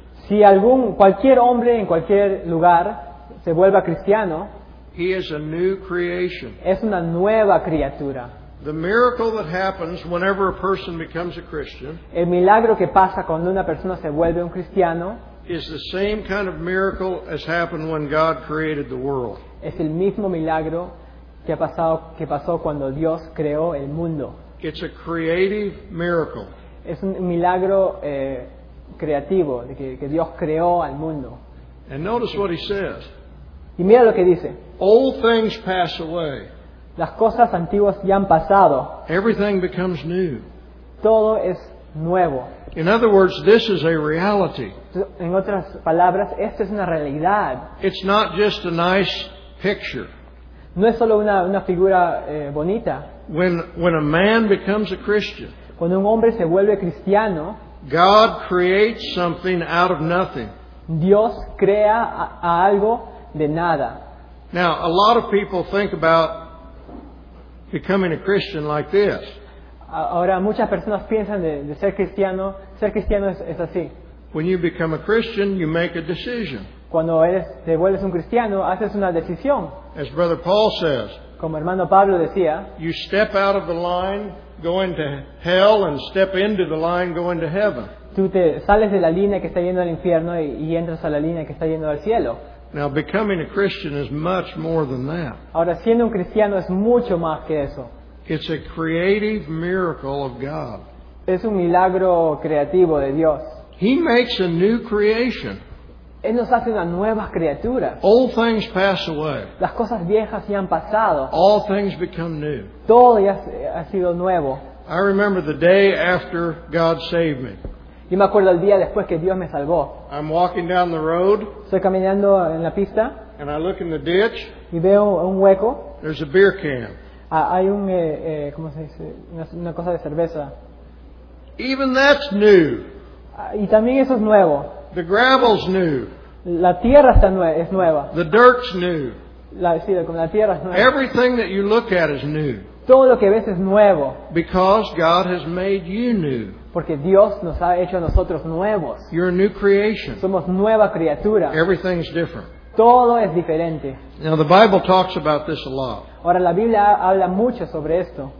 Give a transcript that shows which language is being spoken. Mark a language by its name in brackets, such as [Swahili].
[Spanish] si algún, cualquier hombre en cualquier lugar se vuelva cristiano, [English] he is a new creation. [Spanish] Es una nueva criatura. [English] The miracle that happens whenever a person becomes a Christian, [Spanish] el milagro que pasa cuando una persona se vuelve un cristiano, [English] is the same kind of miracle as happened when God created the world. [Spanish] Es el mismo milagro que ha pasado, que pasó cuando Dios creó el mundo. [English] It's a creative miracle. [Spanish] Es un milagro creativo que Dios creó al mundo. [English] And notice what he says. [Spanish] Y mira lo que dice. [English] All things pass away. [Spanish] Las cosas antiguas ya han pasado. [English] Everything becomes new. [Spanish] Todo es nuevo. [English] In other words, this is a reality. [Spanish] En otras palabras, esta es una realidad. [English] It's not just a nice picture. [Spanish] No es solo una figura bonita. [English] When a man becomes a Christian, [Spanish] cuando un hombre se vuelve cristiano, [English] God creates something out of nothing. [Spanish] Dios crea a algo de nada. [English] Now, a lot of people think about becoming a Christian like this. [Spanish] Ahora muchas personas piensan de ser cristiano. Ser cristiano es así. [English] When you become a Christian, you make a decision. [Spanish] Cuando te vuelves un cristiano, haces una decisión. [English] As Brother Paul says, [Spanish] como hermano Pablo decía, [English] you step out of the line going to hell and step into the line going to heaven. [Spanish] Tú te sales de la línea que está yendo al infierno y entras a la línea que está yendo al cielo. [English] Now, becoming a Christian is much more than that. [Spanish] Ahora, siendo un cristiano es mucho más que eso. [English] It's a creative miracle of God. [Spanish] Es un milagro creativo de Dios. [English] He makes a new creation. [Spanish] Él nos hace una nueva criatura. [English] All things pass away. [Spanish] Las cosas viejas ya han pasado. [English] All things become new. [Spanish] Todo ya ha sido nuevo. [English] I remember the day after God saved me. [Spanish] Yo me acuerdo el día después que Dios me salvó. [English] I'm walking down the road. [Spanish] Estoy caminando en la pista. [English] And I look in the ditch. [Spanish] Y veo un hueco. [English] There's a beer can. [Spanish] Hay un ¿cómo se dice? Una cosa de cerveza. [English] Even that's new. [Spanish] Y también eso es nuevo. [English] The gravel's new. [Spanish] La tierra está es nueva. [English] The dirt's new. [Spanish] La tierra es nueva. [English] Everything that you look at is new. [Spanish] Todo lo que ves es nuevo. [English] Because God has made you new. [Spanish] Porque Dios nos ha hecho a nosotros nuevos. [English] You're a new creation. [Spanish] Somos nueva criatura. [English] Everything's different. [Spanish] Todo es diferente. [English] Now the Bible talks about this a lot. [Spanish] Ahora la Biblia habla mucho sobre esto.